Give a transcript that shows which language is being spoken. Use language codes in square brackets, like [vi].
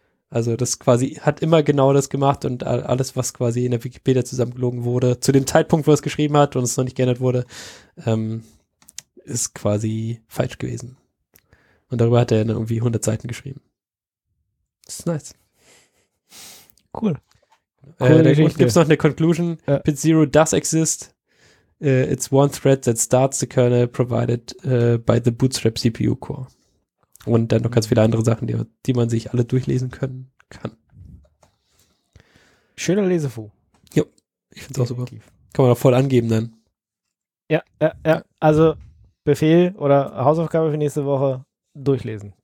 [de] Also das quasi hat immer genau das gemacht, und alles, was quasi in der Wikipedia zusammengelogen wurde, zu dem Zeitpunkt, wo es geschrieben hat und es noch nicht geändert wurde, ist quasi falsch gewesen. Und darüber hat er dann irgendwie 100 Seiten geschrieben. Das ist nice. Cool. Gibt es noch eine Conclusion? [en] Pit 0 does exist. It's one thread that starts the kernel provided by the Bootstrap CPU core. [de] Und dann noch ganz viele andere Sachen, die man sich alle durchlesen können kann. Schöner Lesefu. Jo, ich find's auch super. Kann man auch voll angeben dann. Ja, ja, also Befehl oder Hausaufgabe für nächste Woche, durchlesen.